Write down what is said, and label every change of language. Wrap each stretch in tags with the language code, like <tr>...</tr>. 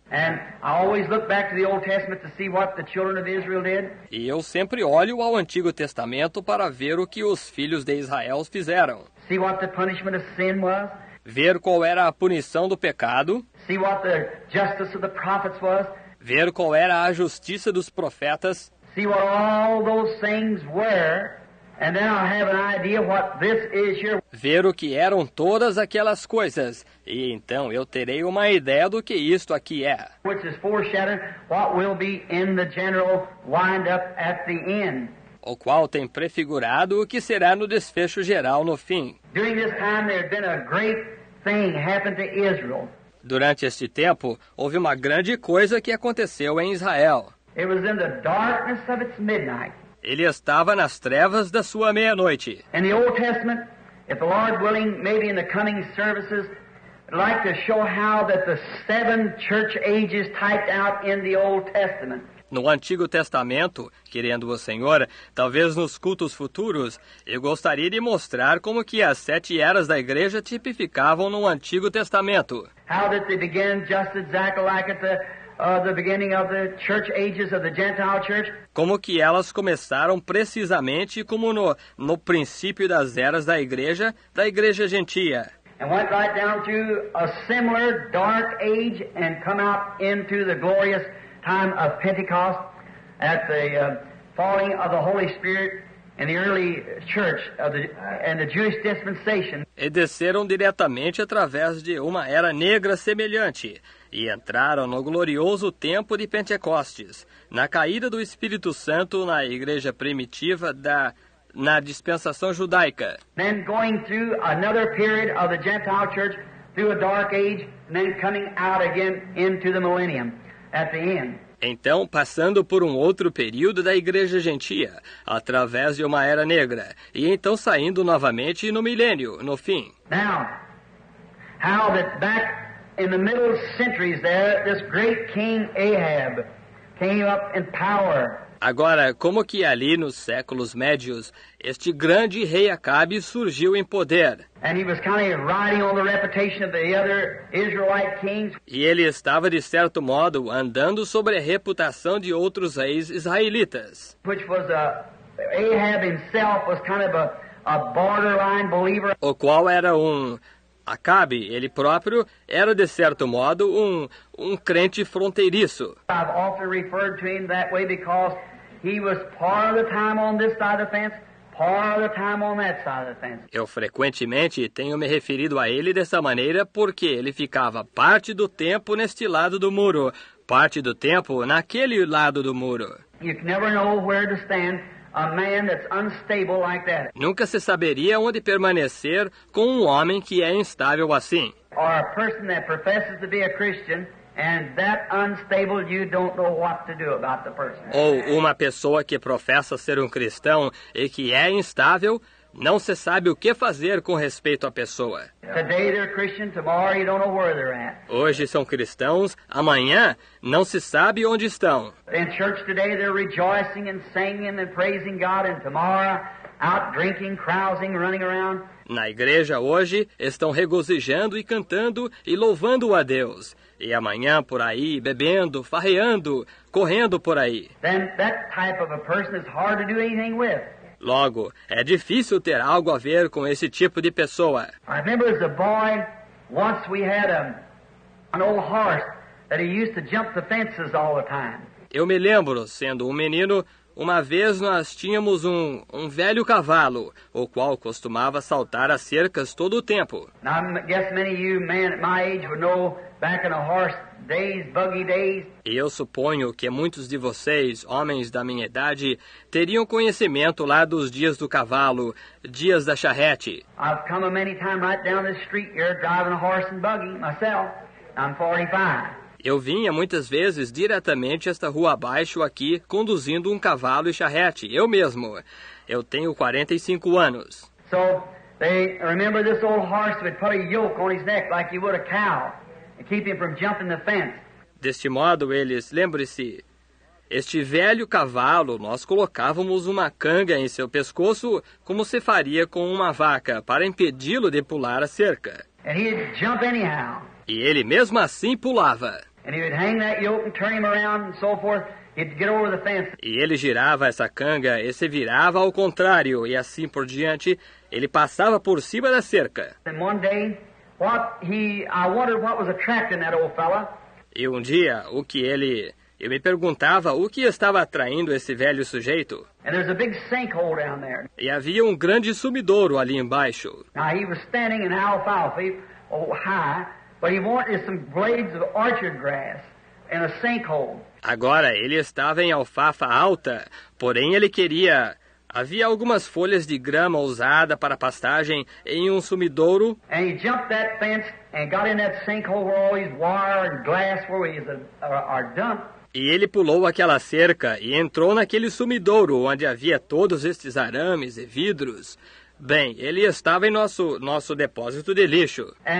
<en>And I always look back to the Old Testament to see what the children of Israel did.</en> <pt>E eu sempre olho ao Antigo Testamento para ver o que os filhos de Israel fizeram.</pt> <en>See what the punishment of sin was.</en> <pt>Ver qual era a punição do pecado.</pt> <en>See what the justice of the prophets was.</en> <pt>Ver qual era a justiça dos profetas.</pt> <en>See what all those things were. And then I'll have an idea what this is here.</en> <pt>Ver o que eram todas aquelas coisas, e então eu terei uma ideia do que isto aqui é.</pt> <en>Which is foreshadowing what will be in the general wind-up at the end.</en> <pt>O qual tem prefigurado o que será no desfecho geral no fim.</pt> <en>During this time, there had been a great thing happened to Israel.</en> <pt>Durante este tempo, houve uma grande coisa que aconteceu em Israel.</pt> <en>It was in the darkness of its midnight.</en> <pt>Ele estava nas trevas da sua meia-noite.</pt> <en>In the Old Testament, if the Lord willing, maybe in the coming services, I'd like to show how that the seven church ages typed out in the Old Testament.</en> <pt>No Antigo Testamento, querendo o Senhor, talvez nos cultos futuros, eu gostaria de mostrar como que as sete eras da igreja tipificavam no Antigo Testamento.</pt> <en>How that they began just exactly like at the beginning of the church ages of the Gentile church.</en> <pt>Como que elas começaram precisamente como no princípio das eras da igreja gentia.</pt> <en>And went right down to a similar dark age and come out into the glorious time of Pentecost at the falling of the Holy Spirit in the early church of the and the Jewish dispensation.</en> <pt>E desceram diretamente através de uma era negra semelhante. E entraram no glorioso tempo de Pentecostes, na caída do Espírito Santo na igreja primitiva na dispensação judaica.</pt> <en>Then going through another period of the Gentile church through a dark age, and then coming out again into the millennium at the end.</en> <pt>Então, passando por um outro período da igreja gentia, através de uma era negra, e então saindo novamente no milênio, no fim.</pt> <en>Now, how that back in the middle centuries there, this great king Ahab came up in power.</en> <pt>Agora, como que ali nos séculos médios, este grande rei Acabe surgiu em poder?</pt> <en>And he was kind of riding on the reputation of the other Israelite kings.</en> <pt>E ele estava, de certo modo, andando sobre a reputação de outros reis israelitas.</pt> <en>Which was Ahab himself was kind of a borderline believer.</en> <pt>O qual era Acabe, ele próprio, era de certo modo um crente fronteiriço.</pt> <en>I've often referred to him that way because he was part of the time on this side of the fence, part of the time on that side of the fence.</en> <pt>Eu frequentemente tenho me referido a ele dessa maneira porque ele ficava parte do tempo neste lado do muro, parte do tempo naquele lado do muro.</pt> <en>You never know where to stand. A man that's unstable like that.</en> <pt>Nunca se saberia onde permanecer com um homem que é instável assim.</pt> <en>Or a person that professes to be a Christian and that unstable, you don't know what to do about the person.</en> <pt>Ou uma pessoa que professa ser um cristão e que é instável, não se sabe o que fazer com respeito à pessoa.</pt> <en>Today they're Christian, tomorrow you don't know where they're at.</en> <pt>Hoje são cristãos, amanhã não se sabe onde estão.</pt> <en>In church today they're rejoicing and singing and praising God, and tomorrow out drinking, carousing, running around.</en> <pt>Na igreja hoje estão regozijando e cantando e louvando a Deus. E amanhã por aí bebendo, farreando, correndo por aí.</pt> <en>Then that type of a person is hard to do anything with.</en> <pt>Logo, é difícil ter algo a ver com esse tipo de pessoa.</pt> <en>I remember as a boy, once we had an old horse that he used to jump the fences all the time.</en> <pt>Eu me lembro, sendo um menino, uma vez nós tínhamos um velho cavalo, o qual costumava saltar as cercas todo o tempo.</pt> <en>Now, I guess many of you men at my age would know back in a horse days, buggy days.</en> <pt>E eu suponho que muitos de vocês, homens da minha idade, teriam conhecimento lá dos dias do cavalo, dias da charrete.</pt> <en>I've come a many time right down this street here driving a horse and buggy myself. I'm 45.</en> <pt>Eu vinha muitas vezes diretamente esta rua abaixo aqui conduzindo um cavalo e charrete, eu mesmo. Eu tenho 45 anos.</pt> <en>So, they remember this old horse would put a yoke on his neck like he would a cow and keep him from jumping the fence.</en> <pt>Deste modo, eles, lembre-se, este velho cavalo, nós colocávamos uma canga em seu pescoço, como se faria com uma vaca, para impedi-lo de pular a cerca.</pt> <en>And he'd jump anyhow.</en> <pt>E ele mesmo assim pulava.</pt> <en>And he would hang that yoke and turn him around and so forth. He'd get over the fence.</en> <pt>E ele girava essa canga e se virava ao contrário. E assim por diante, ele passava por cima da cerca.</pt> <en>And one day, I wondered what was attracting that old fella.</en> <pt>E um dia, eu me perguntava o que estava atraindo esse velho sujeito.</pt> <en>And there's a big sinkhole down there.</en> <pt>E havia um grande sumidouro ali embaixo.</pt> <en>Now he was standing in alfalfa, high, but he wanted some blades of orchard grass and a sinkhole.</en> <pt>Agora ele estava em alfafa alta, porém ele queria. Havia algumas folhas de grama usada para pastagem em um sumidouro.</pt> <en>And he jumped that fence and got in that sinkhole where all his wire and glass were are dumped.</en> <pt>E ele pulou aquela cerca e entrou naquele sumidouro onde havia todos estes arames e vidros. Bem, ele estava em nosso depósito de lixo.</pt>